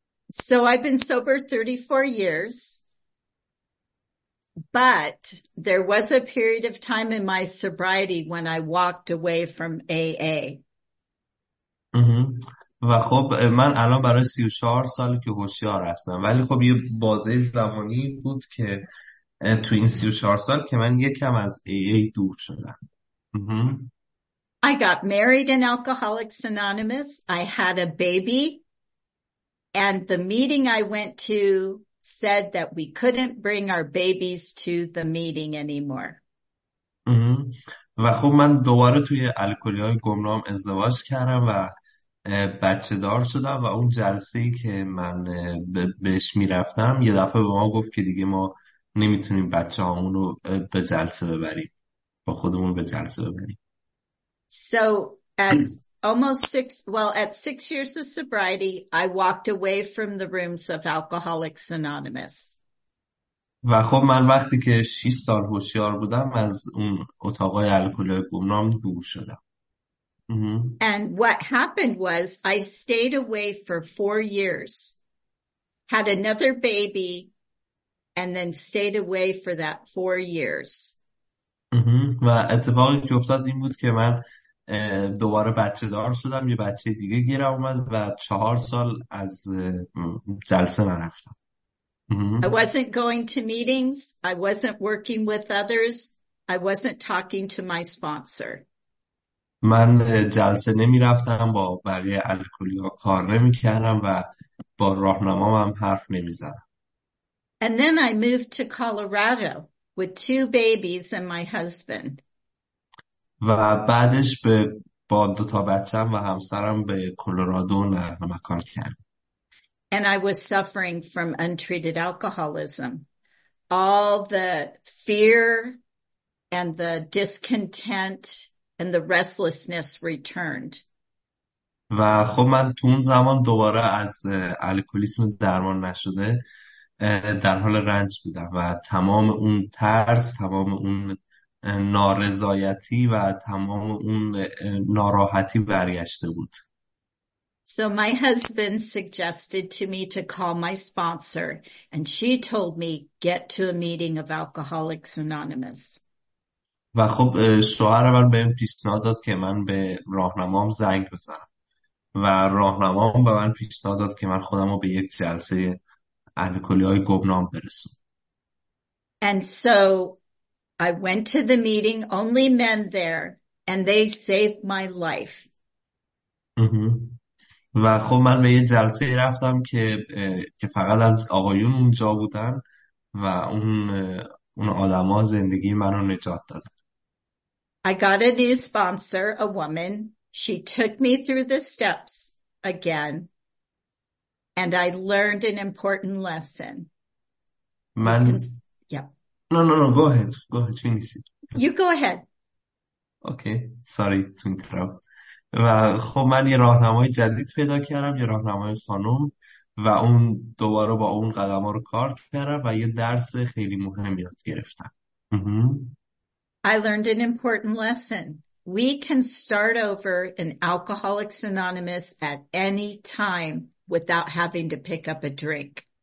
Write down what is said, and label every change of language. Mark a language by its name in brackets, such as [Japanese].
[English] So I've been sober 34 years, but there was a period of time in my sobriety when I walked away from AA. [Persian] و خب من الان برای 34 سال که هوشیار هستم، ولی خب یه بازه زمانی بود که تو این 34 سال که من یکم از AA دور شدم. [English] I got married in Alcoholics Anonymous. I had a baby. And the meeting I went to said that we couldn't bring our babies to the meeting anymore. [Persian] و خب من دوباره توی الکلی های گمنام ازدواج کردم و بچه دار شدم و اون جلسه ای که من بهش میرفتم یه دفعه به ما گفت که دیگه ما نمیتونیم بچه هامون رو به جلسه ببریم، با خودمون به جلسه ببریم. [English] So at almost six, well, at 6 years of sobriety, I walked away from the rooms of Alcoholics Anonymous. [Persian] و خب من وقتی که 6 سال هوشیار بودم از اون اتاقای الکلی گمنام دور شدم. [English] And what happened was I stayed away for 4 years, had another baby, and then stayed away for that 4 years. [Persian] و اتفاقی که افتاد این بود که من دوباره بچه دار شدم، یه بچه دیگه گیرم اومد و 4 سال از جلسه نرفتم. [English] I wasn't going to meetings. I wasn't working with others. I wasn't talking to my sponsor. [Persian] من جلسه نمی رفتم، با بقیه الکلی ها کار نمی کردم و با راهنمام هم حرف نمی زدم. [English] And then I moved to Colorado with 2 babies and my husband. [Persian] و بعدش به با 2 تا بچه‌م و همسرم به کلرادو نقل مکان کردم. [English] And I was suffering from untreated alcoholism. All the fear and the discontent and the restlessness returned. [Persian] و خب من تو اون زمان دوباره از الکلیسم درمان نشده در حال رنج بودم و تمام اون ترس، تمام اون نارضایتی و تمام اون ناراحتی برگشته بود. [English] So my husband suggested to me to call my sponsor, and she told me get to a meeting of Alcoholics Anonymous. [Persian] و خب شوهر من بهم پیشنهاد داد که من به راهنمام زنگ بزنم و راهنمام به من پیشنهاد داد که من خودم رو به یک جلسه الکلی‌های گمنام برسم. [English] And so I went to the meeting, only men there, and they saved my life. [Persian] و خب من به یه جلسه رفتم که فقط از آقایون اونجا بودن و اون آدم ها زندگی من رو نجات دادن. [English] I got a new sponsor, a woman. She took me through the steps again, and I learned an important lesson. [Persian] من [English] Go ahead. You go ahead. Okay, sorry to interrupt. [Persian] و خب من یه راهنمای جدید پیدا کردم، یه راهنمای خانم، و اون دوباره با اون قدم ها رو کار کردم و یه درس خیلی مهم یاد گرفتم. [English] I learned an important lesson. We can start over in Alcoholics Anonymous at any time without having to pick up a drink.